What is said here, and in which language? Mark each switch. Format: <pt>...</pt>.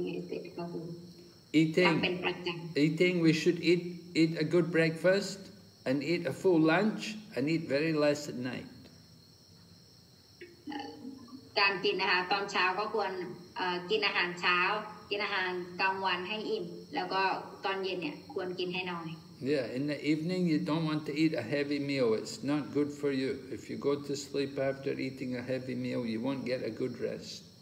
<en>Eating, we should eat a good breakfast and eat a full lunch. And eat very less at night.</en> <th>การกินนะคะตอนเช้าก็ควรกินอาหารเช้ากินอาหารกลางวันให้อิ่มแล้วก็ตอนเย็นเนี่ยควรกินให้น้อย</th> <en>Yeah, in the evening you don't want to eat a heavy meal. It's not good for you. If you go to sleep after eating a heavy meal, you won't get a good rest.</en>